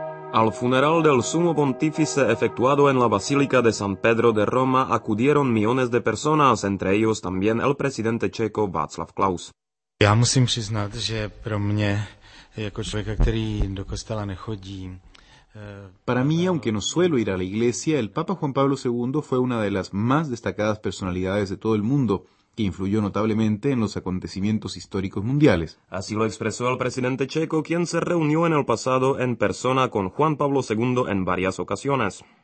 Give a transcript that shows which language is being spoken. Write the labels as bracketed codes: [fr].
[es] Al funeral del sumo pontífice efectuado en la Basílica de San Pedro de Roma acudieron millones de personas, entre ellos también el presidente checo Václav Klaus. [cs] Ya musím přiznat, že pro mě jako člověka, který do kostela nechodí, [es] para mí, aunque no suelo ir a la iglesia, el Papa Juan Pablo II fue una de las más destacadas personalidades de todo el mundo, que influyó notablemente en los acontecimientos históricos mundiales. Así lo expresó el presidente checo, quien se reunió en el pasado en persona con Juan Pablo II en varias ocasiones.